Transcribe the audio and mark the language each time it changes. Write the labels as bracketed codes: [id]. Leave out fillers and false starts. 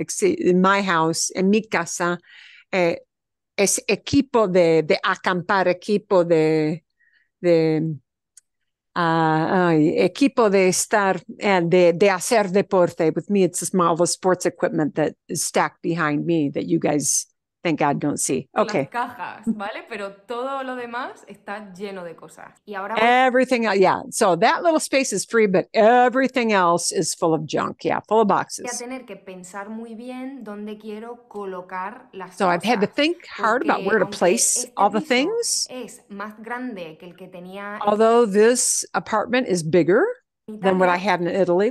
[en] In my house, [es] in mi casa, es equipo de acampar, equipo equipo de estar, de hacer deporte. [en] With me, it's all the sports equipment that is stacked behind me that you guys, thank God, don't see. Okay. [es] Las cajas, ¿vale? Pero todo lo demás está lleno de cosas. Y ahora [en] everything, yeah. So that little space is free, but everything else is full of junk. Yeah, full of boxes. [es] Voy a tener que pensar muy bien dónde quiero colocar las [en] cosas. So I've had to think hard about where to place all the things. [es] Es más grande que el que tenía. [en] Although this apartment is bigger than what I had in Italy.